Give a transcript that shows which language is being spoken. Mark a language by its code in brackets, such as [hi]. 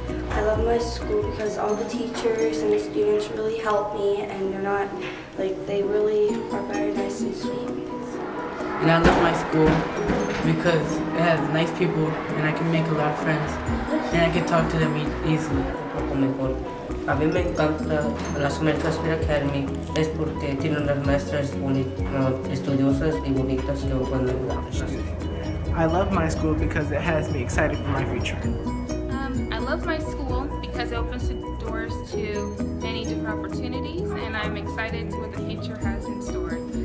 [en] I love my school because all the teachers and the students really help me and they're not, like, they really are very nice and sweet. And I love my school because it has nice people and I can make a lot of friends and I can talk to them easily. [es] A mí me encanta Las Americas Sphere Academy es porque tiene unas maestras estudiosas y bonitas que me pueden ayudar. [en] I love my school because it has me excited for my future. I love my school because it opens the doors to many different opportunities and I'm excited to what the future has in store.